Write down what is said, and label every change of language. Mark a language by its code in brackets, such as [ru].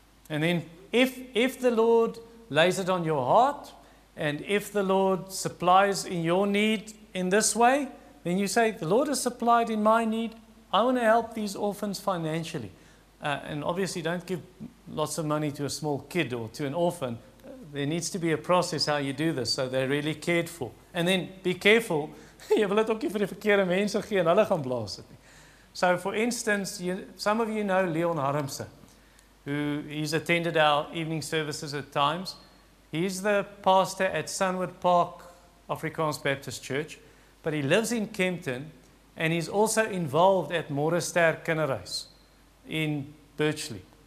[en] And then if the Lord lays it on your heart, and if the Lord supplies in your need in this way, then you say, the Lord has supplied in my need. I want to help these orphans financially. And obviously, don't give lots of money to a small kid or to an orphan. There needs to be a process how you do this so they're really cared for. And then be careful. [af] Jy wil dit ook nie vir die verkeerde mense gee en hulle gaan blaas dit nie. [en] So, for instance, some of you know Leon Harmse, who he's attended our evening services at times. He's the pastor at Sunwood Park Afrikaans Baptist Church, but he lives in Kempton, and he's also involved at Morester Kinderhuis in Birchley.